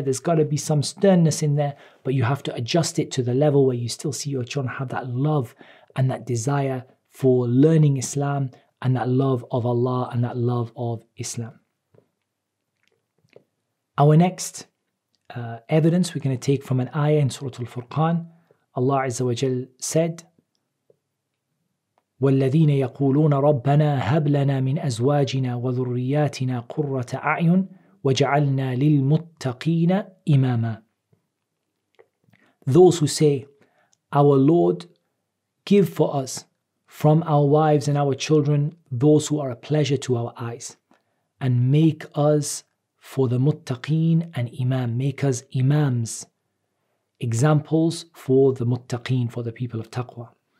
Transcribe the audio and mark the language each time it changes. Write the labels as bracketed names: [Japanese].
[English] There's got to be some sternness in there. But you have to adjust it to the level where you still see your children have that love and that desire for learning Islam and that love of Allah and that love of Islam. Our next evidence we're going to take from an ayah in Surah Al-Furqan. Allah Azza wa Jal said, [Arabic] وَالَّذِينَ يَقُولُونَ رَبَّنَا هَبْ لَنَا مِنْ أَزْوَاجِنَا وَذُرِّيَّاتِنَا قُرَّةَ أَعْيُنٍ وَجَعَلْنَا لِلْمُتَّقِينَ إِمَامًا. [English] Those who say, "Our Lord, give for us from our wives and our children those who are a pleasure to our eyes, and make us for the muttaqeen and imam, make us imams, examples for the muttaqeen, for the people of taqwa."